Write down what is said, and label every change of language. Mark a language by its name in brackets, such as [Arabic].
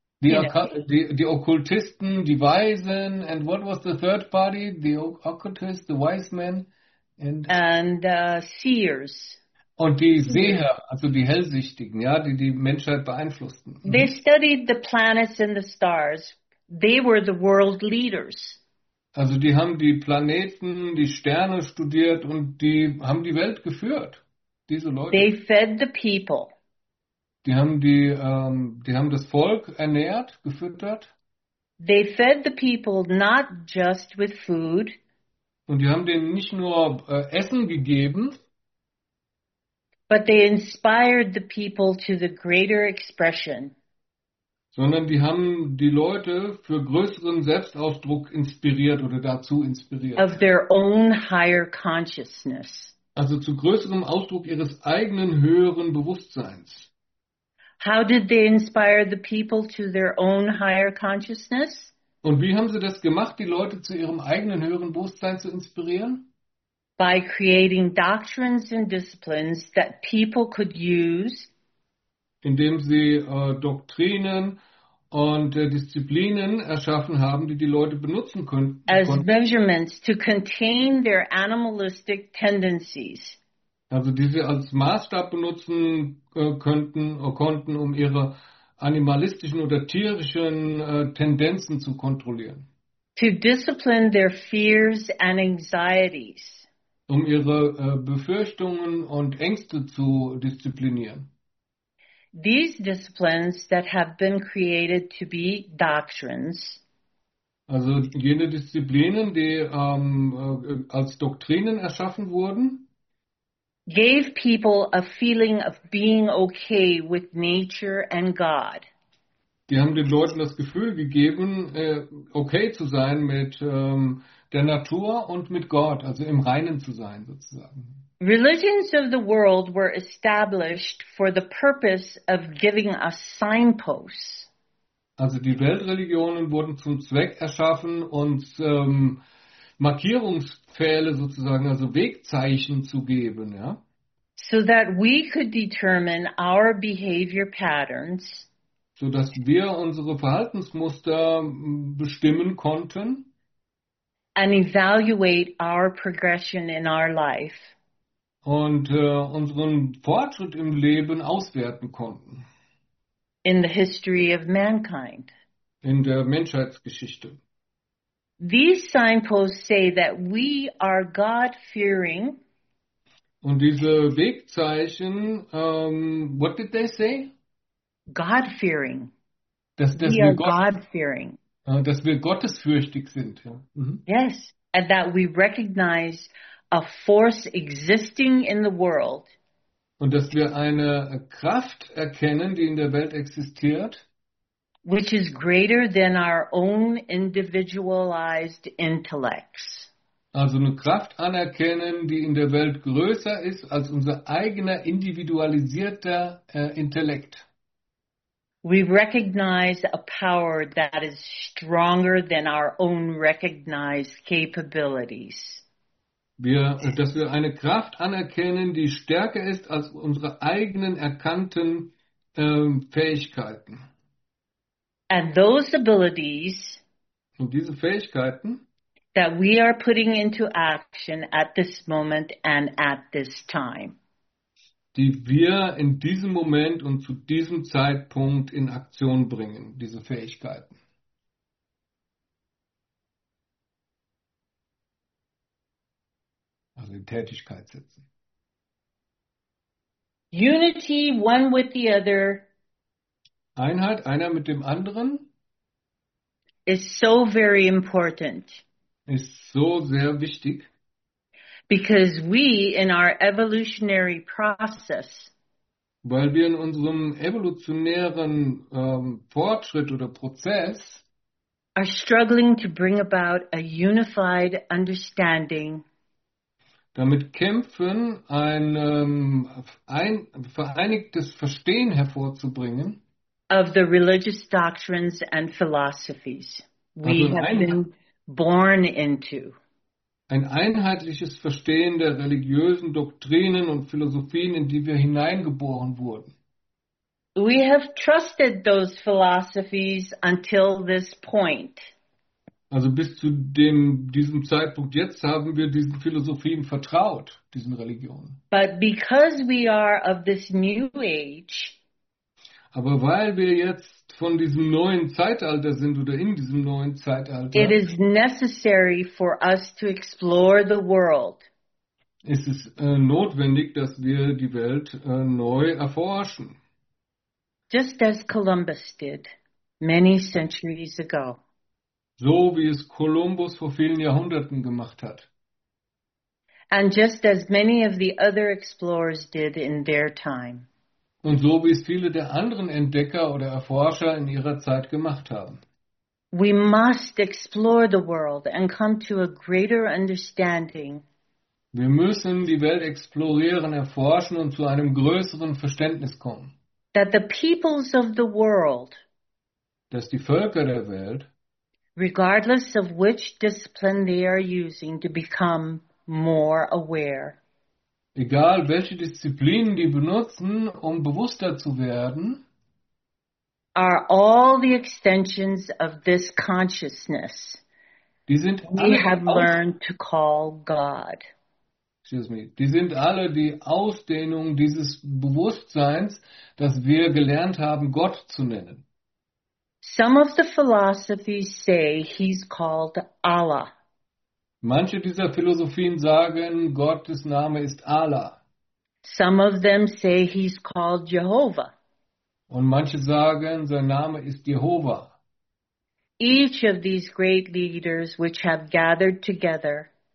[English] The [German] occultisten, [English] the [German] Weisen, [English] and what was the third party? The occultists, the wise men, and... And seers. [German] Und die Seher, also die Hellsichtigen, ja, die die Menschheit beeinflussten. [English] They studied the planets and the stars. They were the world leaders. [German] Also die haben die Planeten, die Sterne studiert und die haben die Welt geführt, diese Leute. [English] They fed the people. [German] Die haben die, die haben das Volk ernährt, gefüttert. [English] They fed the people not just with food. [German] Und die haben denen nicht nur Essen gegeben, [English] but they inspired the people to the greater expression. [German] Sondern die haben die Leute für größeren Selbstausdruck inspiriert oder dazu inspiriert. [English] Of their own higher consciousness. [German] Also zu größerem Ausdruck ihres eigenen höheren Bewusstseins. [English] How did they inspire the people to their own higher consciousness? [German] Und wie haben sie das gemacht, die Leute zu ihrem eigenen höheren Bewusstsein zu inspirieren? [English] By creating doctrines and disciplines that people could use. [German] Indem sie Doktrinen und Disziplinen erschaffen haben, die die Leute benutzen [English] As [German] konnten. [English] measurements to contain their animalistic tendencies. [German] Also die sie als Maßstab benutzen konnten, um ihre animalistischen oder tierischen Tendenzen zu kontrollieren. [English] To discipline their fears and anxieties. [German] Um ihre Befürchtungen und Ängste zu disziplinieren. [English] These disciplines that have been created to be doctrines. [German] Also jene Disziplinen, die als Doktrinen erschaffen wurden. [English] Gave people a feeling of being okay with nature and God. [German] Die haben den Leuten das Gefühl gegeben, okay zu sein mit der Natur und mit Gott, also im Reinen zu sein sozusagen. [English] Religions of the world were established for the purpose of giving us signposts. [German] Also die Weltreligionen wurden zum Zweck erschaffen, uns Markierungspfähle sozusagen, also Wegzeichen zu geben, ja. [English] So that we could determine our behavior patterns. [German] So dass wir unsere Verhaltensmuster bestimmen konnten. [English] And evaluate our progression in our life. [German] Und unseren Fortschritt im Leben auswerten konnten. [English] In the history of mankind. [German] In der Menschheitsgeschichte. [English] These signposts say that we are God-fearing. [German] Und diese Wegzeichen, [English] what did they say? God-fearing. [German] Dass [English] We [German] wir [English] are God-fearing. [German] Dass wir gottesfürchtig sind. Ja. [English] Yes, and that we recognize a force existing in the world. [German] Und dass wir eine Kraft erkennen, die in der Welt existiert. [English] Which is greater than our own individualized intellects. [German] Also eine Kraft anerkennen, die in der Welt größer ist als unser eigener individualisierter Intellekt. [English] We recognize a power that is stronger than our own recognized capabilities. [German] Dass wir eine Kraft anerkennen, die stärker ist als unsere eigenen erkannten Fähigkeiten. [English] And those abilities [German] Und diese Fähigkeiten, [English] that we are putting into action at this moment and at this time. [German] Die wir in diesem Moment und zu diesem Zeitpunkt in Aktion bringen, diese Fähigkeiten. Also in Tätigkeit setzen. [English] Unity, one with the other, [German] Einheit, einer mit dem anderen, [English] is so very important. [German] Ist so sehr wichtig. [English] Because we, in our evolutionary process, [German] weil wir in unserem evolutionären Fortschritt oder Prozess [English] are struggling to bring about a unified understanding. [German] Damit kämpfen, ein vereinigtes Verstehen hervorzubringen. [English] Of the religious doctrines and philosophies we have been born into. [German] Ein einheitliches Verstehen der religiösen Doktrinen und Philosophien, in die wir hineingeboren wurden. [English] We have trusted those philosophies until this point. [German] Also bis zu diesem Zeitpunkt jetzt haben wir diesen Philosophien vertraut, diesen Religionen. [English] But because we are of this new age, [German] aber weil wir jetzt von diesem neuen Zeitalter sind oder in diesem neuen Zeitalter, [English] it is necessary for us to explore the world. [German] Ist es notwendig, dass wir die Welt neu erforschen. [English] Just as Columbus did many centuries ago. [German] So wie es Kolumbus vor vielen Jahrhunderten gemacht hat. [English] And just as many of the other explorers did in their time. [German] Und so wie es viele der anderen Entdecker oder Erforscher in ihrer Zeit gemacht haben. [English] We must explore the world and come to a greater understanding. [German] Wir müssen die Welt explorieren, erforschen und zu einem größeren Verständnis kommen. [English] That the peoples of the world, [German] Dass die Völker der Welt, [English] regardless of which discipline they are using, to become more aware. [German] egal welche Disziplinen die benutzen, um bewusster zu werden, [English] Are all the extensions of this consciousness [German] die sind [English] we [German] alle [English] have learned to call God. Excuse me. [German] Die sind alle die Ausdehnung dieses Bewusstseins, das wir gelernt haben, Gott zu nennen. [English] Some of the philosophies say he's called Allah. [German] Manche dieser Philosophien sagen, Gottes Name ist Allah. [English] Some of them say he's called Jehovah. [German] Und manche sagen, sein Name ist Jehovah. [English] Each of these great leaders which have gathered together,